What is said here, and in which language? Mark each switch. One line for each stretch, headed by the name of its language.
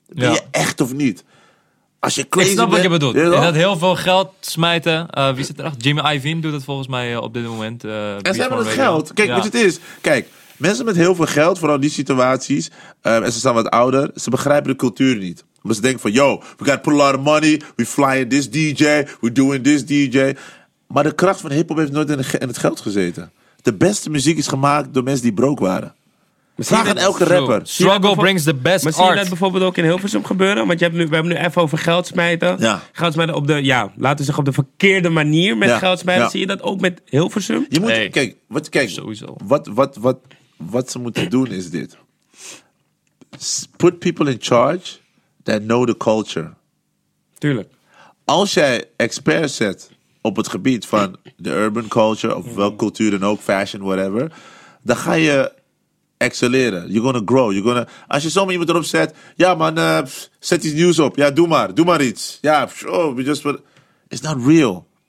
Dutch: Ben je echt of niet? Als je crazy ik snap bent, wat je bedoelt. Je dat heel veel geld smijten. Wie zit erachter? Jimmy Iovine doet dat volgens mij op dit moment. En ze hebben het geld. Kijk, wat het is. Kijk, mensen met heel veel geld, vooral in die situaties. En ze zijn wat ouder. Ze begrijpen de cultuur niet. Maar ze denken van,
English: yo, we got to put a lot of money. We flying this DJ. We doing this DJ.
Dutch: Maar de kracht van hip-hop heeft nooit in het geld gezeten. De beste muziek is gemaakt door mensen die broke waren. Vraag aan elke rapper.
English: Struggle brings the best art.
Dutch: Maar zie je dat bijvoorbeeld ook in Hilversum gebeuren? Want we hebben nu even over geld smijten. Ja. Geld smijten op de, ja, laten we zeggen op de verkeerde manier met geld smijten. Ja. Zie je dat ook met Hilversum? Je moet, kijk. Sowieso. Wat ze moeten doen is dit.
English: Put people in charge that know the culture.
Dutch: Tuurlijk. Als jij experts zet op het gebied van de urban culture, of welke cultuur dan ook, fashion, whatever, dan ga je excelleren.
English: You're gonna grow. You're gonna,
Dutch: als je zomaar iemand erop zet, ja man, zet iets nieuws op. Ja, doe maar. Doe maar iets. Ja, sure.
English: It's not real.